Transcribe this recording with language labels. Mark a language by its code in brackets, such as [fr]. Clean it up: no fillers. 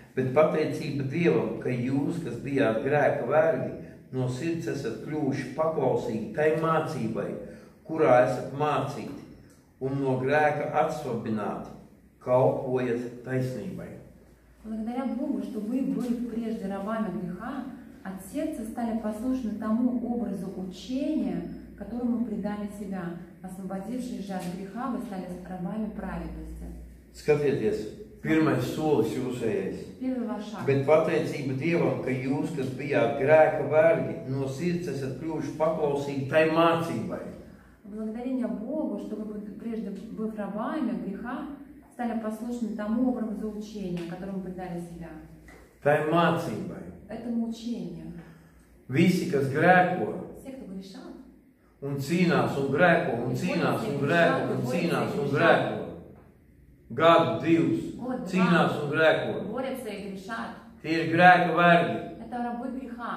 [lv] Bet pateicība Dievam, ka jūs, kas bijāt grēka vergi, no sirds esat kļuvuši paklausīgi tai mācībai, kurā esat mācīti, un no grēka atsvabināti, kalpojat taisnībai. [ru] Благодаря Богу, что вы были прежде рабами греха, от сердца стали послушны тому образу учения, которому предали себя. Освободившись же от греха, вы стали рабами праведности. Скажите, первый солис юсе есть. Первый ваш шаг. [lv] Bet pateicība Dievam, ka jūs, kas bijāt grēka vergi, no sirds esat kļuvuši paklausīgi tai mācībai. [ru] Благодарение Богу, что вы прежде были рабами греха, стали послушны тому образу учения, которому предали себя. [lv] Тай мацībai. [ru] Этому учению. [lv] Visi, kas grēko. [ru] Все, кто грешал. [lv] Un cīnās, un grēko, un cīnās, un grēko, un cīnās, un grēko. Gadu, divus, cīnās, un grēko. Tie ir grēka vergi.